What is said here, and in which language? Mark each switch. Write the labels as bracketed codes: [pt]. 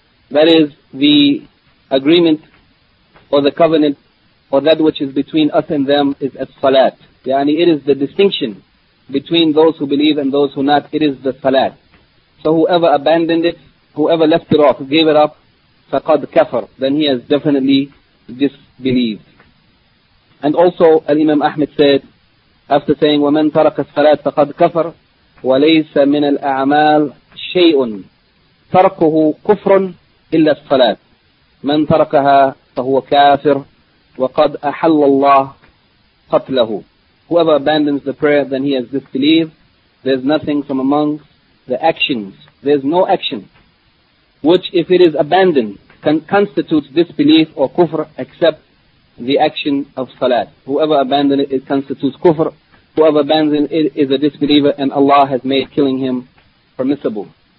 [en] That is the agreement or the covenant or that which is between us and them is as-salat. Yani, it is the distinction between those who believe and those who not, it is the salat. So whoever abandoned it, whoever left it off, gave it up, [ar] faqad kafar, [en] then he has definitely disbelieved. And also, Al-Imam Ahmed said, after saying, [ar] وَمَنْ تَرَكَ الصَّلَاةَ فَقَدْ كَفَرَ وَلَيْسَ مِنَ الْأَعْمَالِ شَيْءٌ تَرْكُهُ كُفْرٌ إِلَّا الصَّلَاةَ مَنْ تَرَكَهَا فَهُوَ كَافِرٌ وَقَدْ أَحَلَّ اللَّهُ قَتْلَهُ. [en] Whoever abandons the prayer, then he has disbelieved. There's nothing from among the actions. There's no action which, if it is abandoned, can constitute disbelief or kufr, except the action of salat. Whoever abandoned it constitutes kufr. Whoever abandoned it is a disbeliever, and Allah has made killing him permissible.